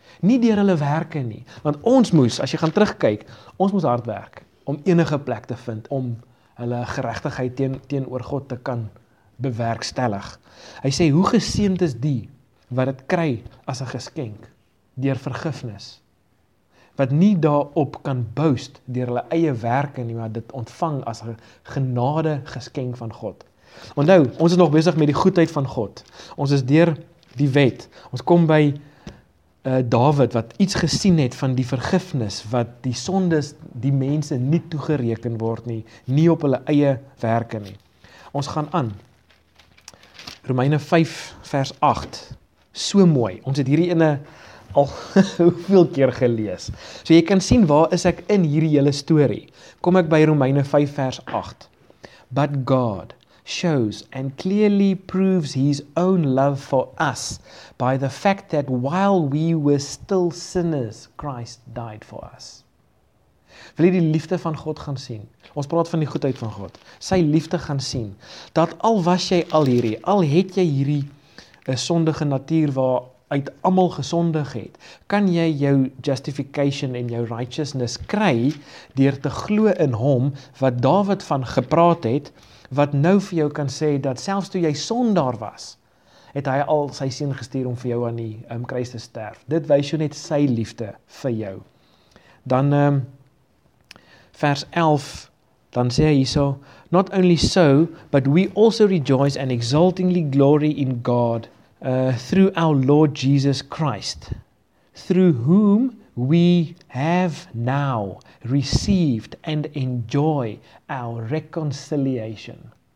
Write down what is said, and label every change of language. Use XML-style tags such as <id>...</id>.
<af>Nie deur hulle werke nie, want ons moes, as jy gaan terugkyk, ons moes hard werk om enige plek te vind, om hulle geregtigheid teenoor God te kan bewerkstellig. Hy sê, hoe geseend is die wat het kry as 'n geskenk, deur vergifnis, wat nie daarop kan boast deur hulle eie werke nie, maar dit ontvang as 'n genade geskenk van God. Onthou, ons is nog besig met die goedheid van God. Ons is deur die wet. Ons kom by David wat iets gesien het van die vergifnis, wat die sondes die mense nie toegereken word nie, nie op hulle eie werke nie. Ons gaan aan. Romeine 5 vers 8. So mooi. Ons het hierdie ene al hoeveel keer gelees. So jy kan sien waar is ek in hierdie hele story. Kom ek by Romeine 5 vers 8.</af> <en>But God shows and clearly proves his own love for us by the fact that while we were still sinners, Christ died for us.</en> <af>Wil jy die liefde van God gaan sien? Ons praat van die goedheid van God. Sy liefde gaan sien. Dat al was jy al hierdie, al het jy hierdie sondige natuur waar uit almal gesondig het, kan jy jou justification en jou righteousness kry deur te glo in hom wat David van gepraat het, wat nou vir jou kan sê dat selfs toe jy sondaar was, het hy al sy seun gestuur om vir jou aan die kruis te sterf. Dit wys jou net sy liefde vir jou. Dan vers 11, dan sê hy hierso,</af> <en>Not only so, but we also rejoice and exultingly glory in God through our Lord Jesus Christ, through whom we have now received and enjoy our reconciliation.</en>